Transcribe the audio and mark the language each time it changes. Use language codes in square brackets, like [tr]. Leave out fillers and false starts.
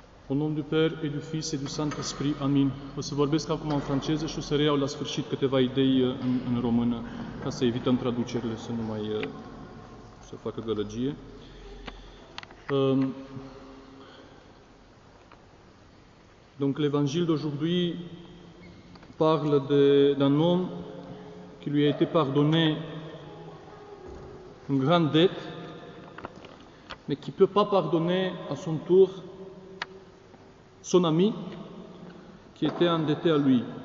[fr] Au nom du Père et du Fils et du Saint-Esprit. [ro] Amin. O să vorbesc acum în franceză și o să reiau la sfârșit câteva idei în română, ca să evităm traducerile, să nu mai să facă gălăgie. [fr] Donc, l'Évangile d'aujourd'hui parle d'un homme qui lui a été pardonné une grande dette, mais qui ne peut pas pardonner à son tour son ami qui était endetté à lui.